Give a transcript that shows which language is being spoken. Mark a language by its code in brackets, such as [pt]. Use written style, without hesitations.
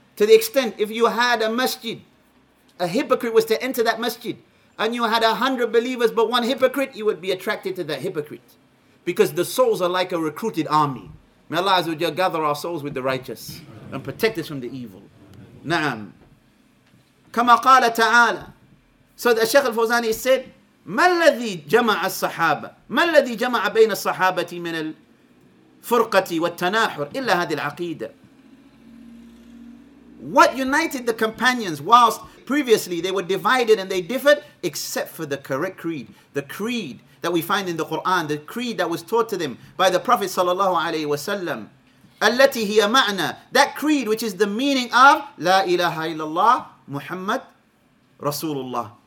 [en] To the extent if you had a masjid, a hypocrite was to enter that masjid, and you had 100 believers but one hypocrite, you would be attracted to that hypocrite. Because the souls are like a recruited army. May Allah Azza wa Jalla gather our souls with the righteous and protect us from the evil. [ar] Naam. Kama qala ta'ala. So the Shaykh al-Fawzani said, مَا الَّذِي جَمَعَ الصَّحَابَةِ مَا الَّذِي جَمَعَ بَيْنَ الصَّحَابَةِ مِنَ الْفُرْقَةِ وَالتَّنَاحُرِ إِلَّا هَذِي الْعَقِيدَةِ. [en] What united the companions whilst previously they were divided and they differed, except for the correct creed. The creed that we find in the Quran, the creed that was taught to them by the Prophet sallallahu alayhi wa sallam. [ar] أَلَّتِي هِيَ مَعْنَى. [en] That creed which is the meaning of [ar] لَا إِلَهَا إِلَّا اللَّهِ مُحَمَّد Rasulullah.